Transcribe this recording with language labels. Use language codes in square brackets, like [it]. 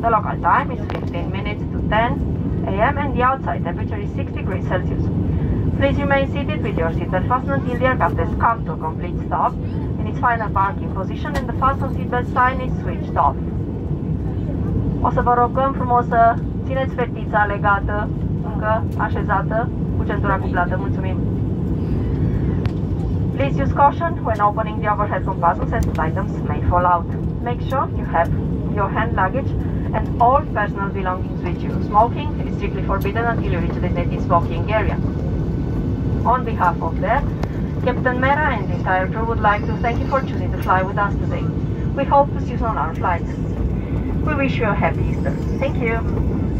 [en] The local time is 15 minutes to 10 a.m. and the outside temperature is 6 degrees Celsius. Please remain seated with your seatbelt fastened until the aircraft has come to a complete stop in its final parking position and the fasten seatbelt sign is switched off. [ro] O să vă rugăm frumos să țineți fetița legată, încă așezată, cu centura cuplată. Mulțumim! [en] Please use caution when opening the overhead compartments as the items may fall out. Make sure you have your hand luggage and all personal belongings with you. Smoking is strictly forbidden until you reach the native smoking area. On behalf of that, Captain Mera and the entire crew would like to thank you for choosing to fly with us today. We hope to see you on our flights. We wish you a happy Easter. Thank you.